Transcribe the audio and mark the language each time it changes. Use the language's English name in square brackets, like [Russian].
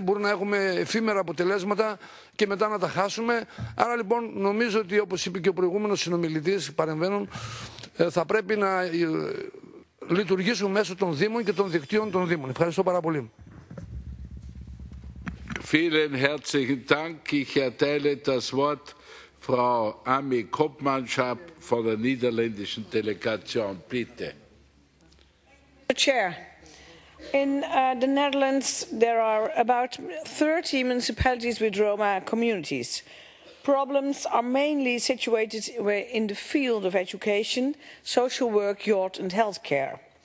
[Greek] Μπορεί να έχουμε εφήμερα αποτελέσματα και μετά να τα χάσουμε. Άρα λοιπόν νομίζω ότι, όπως είπε και ο προηγούμενος συνομιλητής παρεμβαίνουν, θα πρέπει να λειτουργήσουν μέσω των Δήμων και των δικτύων των Δήμων. Ευχαριστώ πάρα πολύ. [German] Vielen herzlichen Dank. Ich erteile das Wort Frau Ami Kopmanschap von der niederländischen Delegation. Bitte. [English] Mr. Chair, in the Netherlands there are about 30 municipalities with Roma communities. Problems are mainly situated in the field of education, social work, youth and healthcare.